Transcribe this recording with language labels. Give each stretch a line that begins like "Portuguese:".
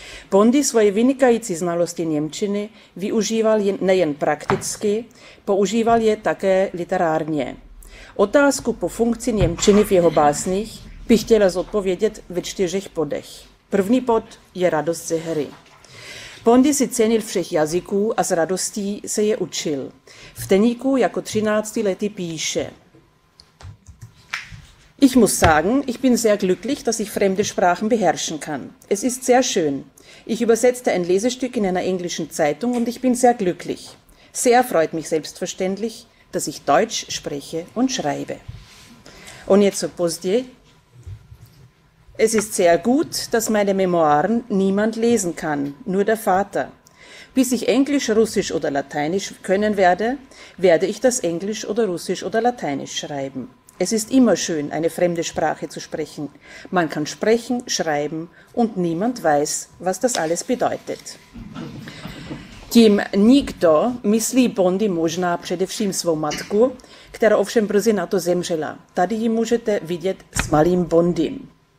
Czech: Bondy svoje vynikající znalosti němčiny využíval nejen prakticky, používal je také literárně. Otázku po funkci němčiny v jeho básních bych chtěla zodpovědět ve čtyřech bodech. První bod je radost ze hry. Bondy si cenil všech jazyků a s radostí se je učil. V deníku jako 13letý píše.
German: Ich muss sagen, ich bin sehr glücklich, dass ich fremde Sprachen beherrschen kann. Es ist sehr schön. Ich übersetzte ein Lesestück in einer englischen Zeitung und ich bin sehr glücklich. Sehr freut mich selbstverständlich, dass ich Deutsch spreche und schreibe. Und jetzt so později. Es ist sehr gut, dass meine Memoiren niemand lesen kann, nur der Vater. Bis ich Englisch, Russisch oder Lateinisch können werde, werde ich das Englisch oder Russisch oder Lateinisch schreiben. Es ist immer schön, eine fremde Sprache zu sprechen. Man kann sprechen, schreiben und niemand weiß, was das alles bedeutet.
Czech: Tím nikdo myslí Bondy možná především svou matku, která ovšem brzy na to zemřela. Tady ji můžete vidět s malým Bondym.